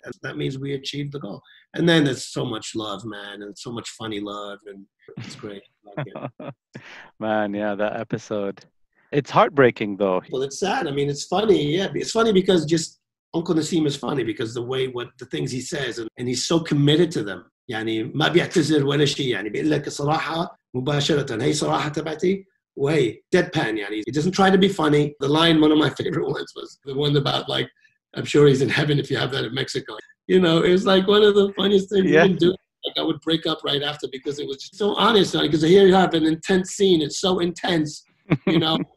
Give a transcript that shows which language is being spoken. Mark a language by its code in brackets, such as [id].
[en] And that means we achieve the goal. And then there's so much love, man, and so much funny love, and it's great. Man, yeah, that episode. It's heartbreaking, though. Well, it's sad. I mean, it's funny. Yeah, it's funny because just Uncle Naseem is funny because the way, what the things he says, and he's so committed to them. [ar] يعني ما بيعتذر ولا شيء يعني بيقول لك صراحة مباشرة هي صراحة تبعتي. [en] Way deadpan, yani. He doesn't try to be funny. The line, one of my favorite ones, was the one about, like, I'm sure he's in heaven if you have that in Mexico. You know, it was like one of the funniest things you can do. Like, I would break up right after because it was just so honest. Because here you have an intense scene. It's so intense, you know.